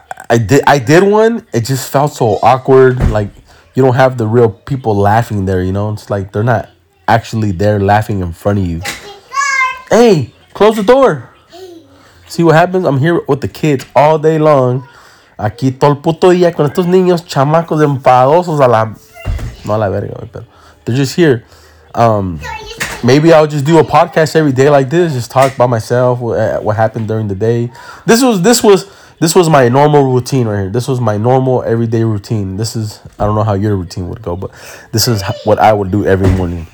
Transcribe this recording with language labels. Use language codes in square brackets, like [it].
[en] I did one. It just felt so awkward. Like, you don't have the real people laughing there, you know? It's like they're not actually there laughing in front of you. Hey, close the door. See what happens? I'm here with the kids all day long. [es] Aquí todo el puto día con estos niños chamacos enfadosos a la... No la verga, pero... [en] They're just here. Maybe I'll just do a podcast every day like this. Just talk by myself what happened during the day. This was my normal routine right here. This was my normal everyday routine. This is, I don't know how your routine would go, but this is what I would do every morning.